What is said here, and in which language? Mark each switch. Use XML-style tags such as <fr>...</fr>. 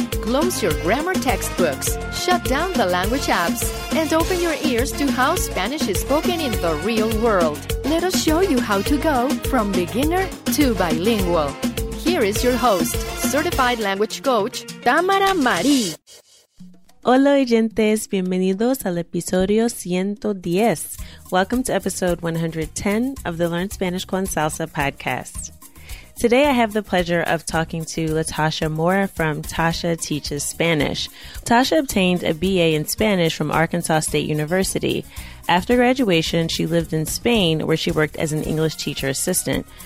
<en>Close your grammar textbooks, shut down the language apps, and open your ears to how Spanish is spoken in the real world. Let us show you how to go from beginner to bilingual. Here is your host, certified language coach, Tamara Marie.</en> <es>Hola oyentes, bienvenidos al episodio 110.</es> <en>Welcome to episode 110 of the Learn Spanish con Salsa podcast. Today, I have the pleasure of talking to Latasha Mora from Tasha Teaches Spanish. Tasha obtained a BA in Spanish from Arkansas State University. After graduation, she lived in Spain, where she worked as an English teacher assistant.</en>